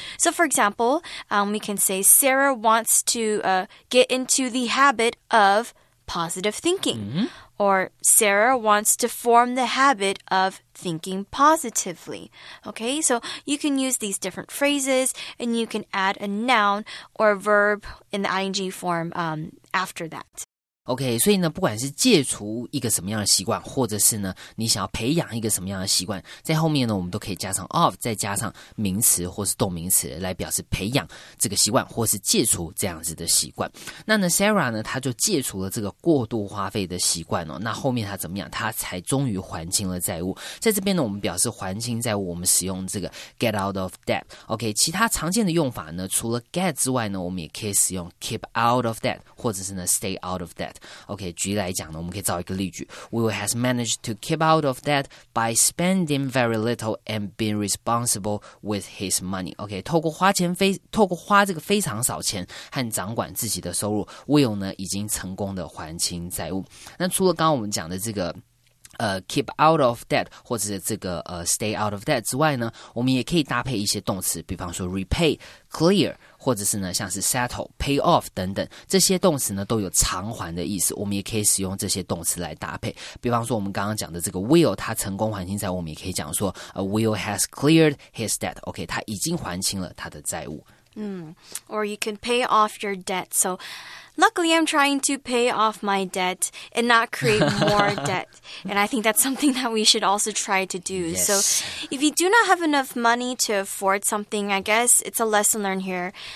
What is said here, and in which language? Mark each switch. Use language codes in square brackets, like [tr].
[en] So for example, we can say Sarah wants to get intoThe habit of positive thinking, or Sarah wants to form the habit of thinking positively. Okay, so you can use these different phrases and you can add a noun or a verb in the ing form after that. [zh] OK, 所以呢不管是戒除一个什么样的习惯，或者是呢你想要培养一个什么样的习惯，在后面呢我们都可以加上 of, 再加上名词或是动名词来表示培养这个习惯或是戒除这样子的习惯。那呢 Sarah 呢他就戒除了这个过度花费的习惯哦，那后面他怎么样，他才终于还清了债务。在这边呢我们表示还清债务，我们使用这个 get out of debt。 OK, 其他常见的用法呢除了 get 之外呢，我们也可以使用 keep out of debt, 或者是呢 stay out of debt。 OK, 举例来讲呢，我们可以造一个例句 [en] Will has managed to keep out of debt by spending very little and being responsible with his money. [zh] OK, 透过花这个非常少钱和掌管自己的收入， Will 呢已经成功的还清债务。那除了刚刚我们讲的这个keep out of debt, 或者是这个stay out of debt 之外呢，我们也可以搭配一些动词，比方说 repay, clear,或者是呢像是 settle, pay off 等等，这些动词呢都有偿还的意思，我们也可以使用这些动词来搭配。比方说我们刚刚讲的这个 Will, 他成功还清债务，我们也可以讲说 [en] Will has cleared his debt. [zh] OK, 他已经还清了他的债务。 [en] Or you can pay off your debt. So luckily I'm trying to pay off my debt and not create more debt. And I think that's something that we should also try to do. Yes. So if you do not have enough money to afford something, I guess it's a lesson learned here.